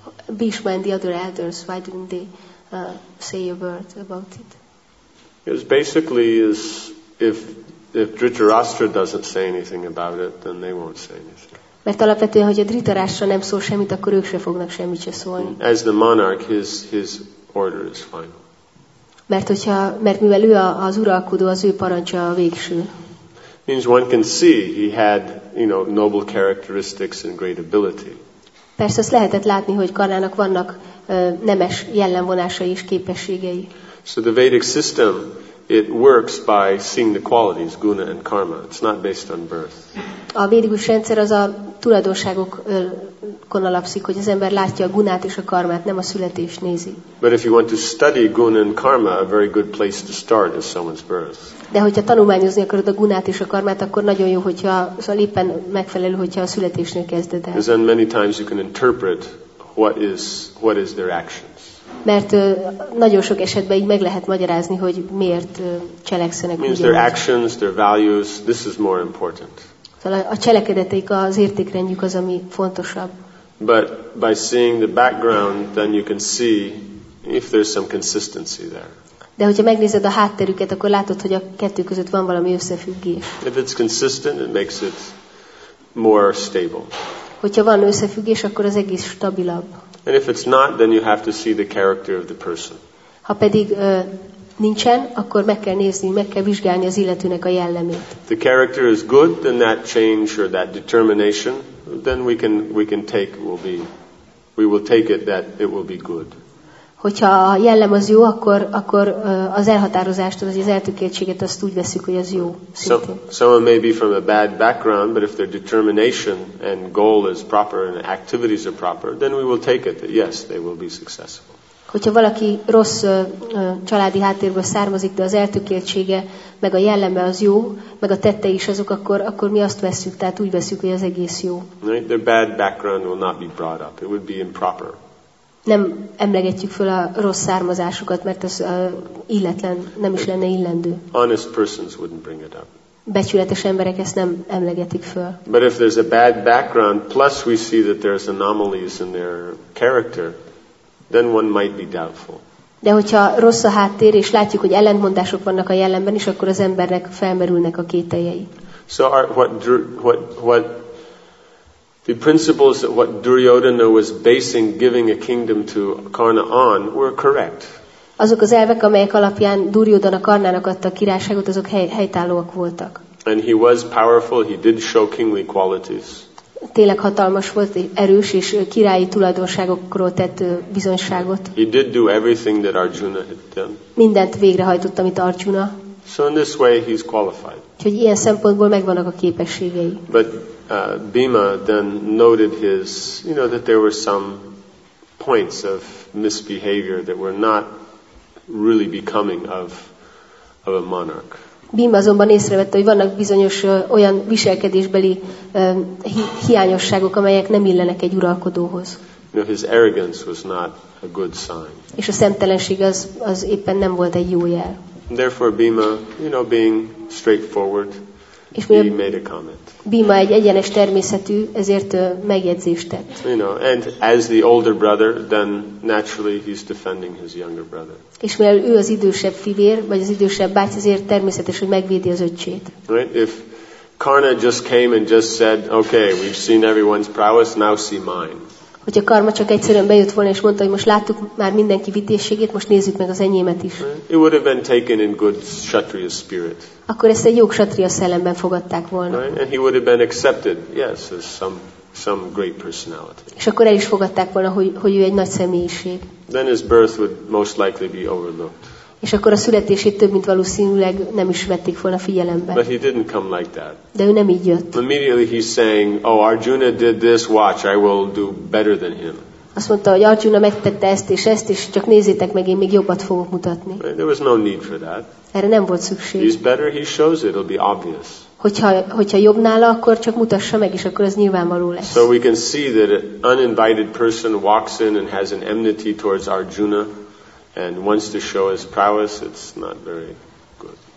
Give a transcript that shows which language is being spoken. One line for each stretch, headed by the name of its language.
English: Bhishma and the other elders, why didn't they say a word about it? It was basically is if Dhritarashtra doesn't say anything about it, then they won't say anything.
Hungarian: Mert alapvetően, hogy a Dhritarashtra nem szól semmit, akkor ők se fognak semmit se szólni.
English: As the monarch, his order is final.
Hungarian: Mert mivel ő az uralkodó, az ő parancsa a végső.
English: Means one can see he had, you know, noble characteristics and great ability.
Hungarian: Persze azt lehetett látni, hogy Karnának vannak nemes jellemvonásai és képességei.
English: So the Vedic system, it works by seeing the qualities, guna and karma. It's not based on birth.
Hungarian: A védikus rendszer az a tulajdonságokon alapszik, hogy az ember látja a gunát és a karmát, nem a születést nézi.
English: But if you want to study guna and karma, a very good place to start is someone's birth.
Hungarian: De hogyha tanulmányozni akarod a gunát és a karmát, akkor nagyon jó, hogyha szóval éppen megfelelő, hogyha a születésnél kezded el.
English: Then many times you can interpret what is their actions.
Hungarian: Mert nagyon sok esetben így meg lehet magyarázni, hogy miért cselekszenek.
English: Means their actions, their values, this is more important.
Hungarian: A cselekedeteik, az értékrendjük az, ami fontosabb.
English: But by seeing the background, then you can see if there's some consistency there.
Hungarian: De hogyha megnézed a hátterüket, akkor látod, hogy a kettő között van valami összefüggés.
English: If it's consistent, it makes it more stable.
Hungarian: Hogyha van összefüggés, akkor az egész stabilabb.
English: And if it's not, then you have to see the character of the person.
Hungarian: Ha pedig nincsen, akkor meg kell nézni, meg kell vizsgálni az illetőnek a jellemét.
English: The character is good, then that change or that determination, then we will take it that it will be good.
Hungarian: Hogyha a jellem az jó, akkor az elhatározást, vagy az eltökéltséget azt úgy veszük, hogy az jó.
English: Someone may be from a bad background, but if their determination and goal is proper and activities are proper, then we will take it that yes, they will be successful.
Hungarian: Hogyha valaki rossz családi háttérből származik, de az eltökéltsége, meg a jelleme az jó, meg a tette is azok, akkor mi azt veszük, tehát úgy veszük, hogy az egész jó.
English: Right? Their bad background will not be brought up. It would be improper.
Hungarian: Nem emlegetjük fel a rossz származásukat, mert az illetlen, nem is lenne illendő.
English: Honest persons wouldn't bring it up.
Hungarian: Becsületes emberek ezt nem emlegetik föl.
English: But if there's a bad background, plus we see that there's anomalies in their character, then one might be doubtful.
Hungarian: De hogyha rossz a háttér, és látjuk, hogy ellentmondások vannak a jellemben is, akkor az embernek felmerülnek a kételjei.
English: So what the principles that what Duryodhana was basing giving a kingdom to Karna on were correct.
Hungarian: Azok az elvek, amelyek alapján Duryodhana Karnának adta a királyságot, azok helytállóak voltak.
English: And he was powerful, he did show kingly qualities.
Hungarian: Tényleg hatalmas volt, erős és királyi tulajdonságokról tett bizonyságot.
English: He did do everything that Arjuna had done.
Hungarian: Mindent végrehajtott, amit Arjuna.
English: So in this way he's qualified.
Hungarian: Úgyhogy ilyen szempontból megvannak a képességei.
English: But Bhima then noted his, you know, that there were some points of misbehavior that were not really becoming of a monarch.
Hungarian: Bhima azonban észrevette, hogy vannak bizonyos olyan viselkedésbeli hiányosságok, amelyek nem illenek egy uralkodóhoz.
English: You know, his arrogance was not a good sign.
Hungarian: És a szemtelenség az éppen nem volt egy jó jel.
English: Therefore Bhima, you know, being straightforward, he made a comment.
Hungarian: Bhima egy egyenes természetű, ezért megjegyzést tett.
English: You know, and as the older brother, then naturally he's defending his younger brother.
Hungarian: És mivel ő az idősebb fivér, vagy az idősebb báty, ezért természetes, hogy megvédi az öcsét.
English: Right? If Karna just came and just said, okay, we've seen everyone's prowess, now see mine.
Hungarian: Hogyha Karma csak egyszerűen bejött volna és mondta, hogy most láttuk már mindenki vitézségét, most nézzük meg az enyémet is.
English: It would have been taken in good kshatriya spirit.
Hungarian: Akkor ezt egy jó kshatriya szellemben fogadták volna.
English: Right? And he would have been accepted, yes, as some great personality.
Hungarian: És akkor el is fogadták volna, hogy ő egy nagy személyiség.
English: Then his birth would most likely be overlooked.
Hungarian: És akkor a születését több mint valószínűleg nem is vették volna figyelembe.
English: But he didn't come like that.
Hungarian: De ő nem így jött.
English: Immediately he's saying, oh, Arjuna did this, watch, I will do better than him.
Hungarian: Azt mondta, hogy Arjuna megtette ezt, és csak nézzétek meg, én még jobbat fogok mutatni.
English: Right? There was no need for that.
Hungarian: Erre nem volt szükség.
English: He's better, he shows it, it'll be obvious.
Hungarian: Hogyha jobb nála, akkor csak mutassa meg, és akkor ez nyilvánvaló lesz.
English: So we can see that an uninvited person walks in and has an enmity towards Arjuna, and wants to show his prowess, it's not very good.